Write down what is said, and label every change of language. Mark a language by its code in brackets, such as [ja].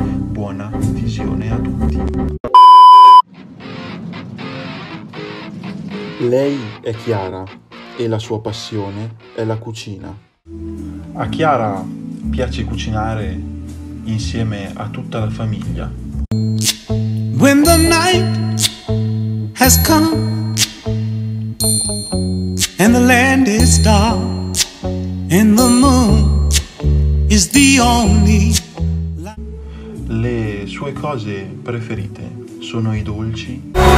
[it] Buona visione a tutti. Lei è Chiara e la sua passione è la cucina. A Chiara piace cucinare insieme a tutta la famiglia. [en] When the night has come and the land is dark and the moon is the only. [it] Le sue cose preferite sono i dolci.